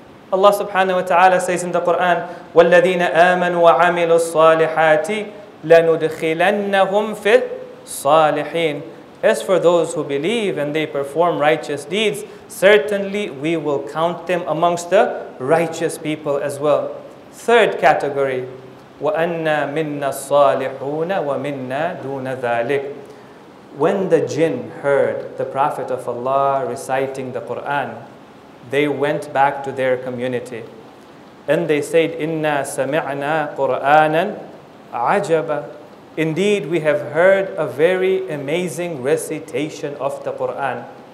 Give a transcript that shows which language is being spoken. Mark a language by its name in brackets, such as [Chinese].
[English] Allah subhanahu wa ta'ala says in the Quran, [Arabic] وَالَّذِينَ آمَنُوا وَعَمِلُوا الصَّالِحَاتِ لَنُدْخِلَنَّهُمْ فِي الصَّالِحِينَ. [English] As for those who believe and they perform righteous deeds, certainly we will count them amongst the righteous people as well. Third category, [Arabic] وَأَنَّا مِنَّا الصَّالِحُونَ وَمِنَّا دُونَ ذَلِكَ. [English] When the jinn heard the Prophet of Allah reciting the Quran, they went back to their community and they said, [Arabic] Inna sami'na Qur'anan ajaba. [English] Indeed, we have heard a very amazing recitation of the Quran.